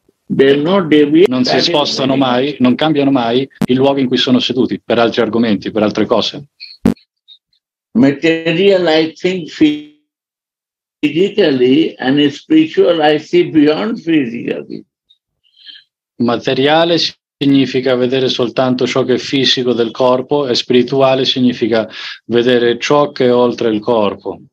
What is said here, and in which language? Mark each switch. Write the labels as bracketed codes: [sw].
[it] Non si spostano mai, non cambiano mai il luogo in cui sono seduti per altri argomenti, per altre cose. [en] Material I think physically and spiritual I see beyond physically. [it] Materiale significa vedere soltanto ciò che è fisico del corpo e spirituale significa vedere ciò che è oltre il corpo.